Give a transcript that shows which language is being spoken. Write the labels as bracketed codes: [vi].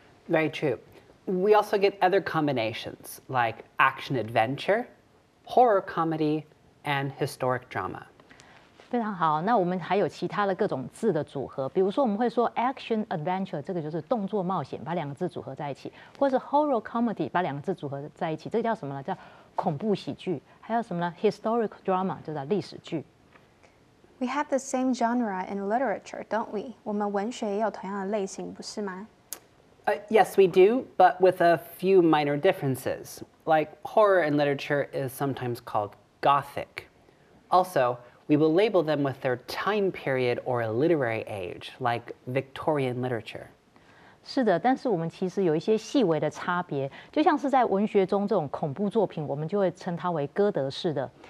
[en] Very true we also get other combinations like action adventure, horror comedy, and historic drama. [zh] 非常好，那我们还有其他的各种字的组合，比如说我们会说 action adventure， 这个就是动作冒险，把两个字组合在一起，或是 horror comedy， 把两个字组合在一起，这个叫什么呢？叫恐怖喜剧，还有什么呢？ historic drama， 就叫历史剧。 [en] We have the same genre in literature, don't we? [zh] 我们文学也有同样的类型，不是吗？ [en] Yes, we do, but with a few minor differences. Like horror in literature is sometimes called gothic. Also, we will label them with their time period or a literary age, like Victorian literature. [zh] 是的，但是我们其实有一些细微的差别，就像是在文学中这种恐怖作品，我们就会称它为哥德式的。